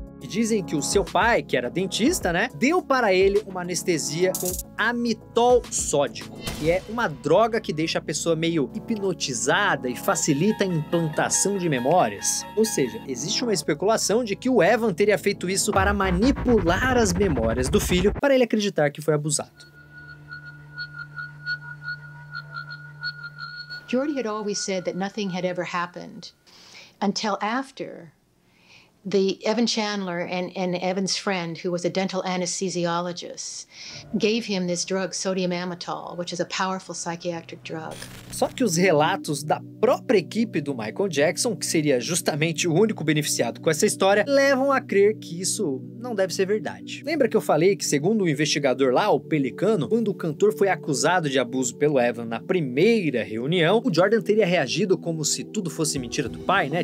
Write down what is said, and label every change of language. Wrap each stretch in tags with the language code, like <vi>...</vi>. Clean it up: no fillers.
<pt>E dizem que o seu pai, que era dentista, né, deu para ele uma anestesia com amitol sódico, que é uma droga que deixa a pessoa meio hipnotizada e facilita a implantação de memórias. Ou seja, existe uma especulação de que o Evan teria feito isso para manipular as memórias do filho para ele acreditar que foi abusado.</pt> <en>Jordy had always said that nothing had ever happened until after the Evan Chandler and Evan's friend, who was a dental anesthesiologist, gave him this drug, sodium amitol, which is a powerful psychiatric drug.</en> <pt>Só que os relatos da própria equipe do Michael Jackson, que seria justamente o único beneficiado com essa história, levam a crer que isso não deve ser verdade. Lembra que eu falei que, segundo o investigador lá, o Pelicano, quando o cantor foi acusado de abuso pelo Evan na primeira reunião, o Jordan teria reagido como se tudo fosse mentira do pai, né?</pt>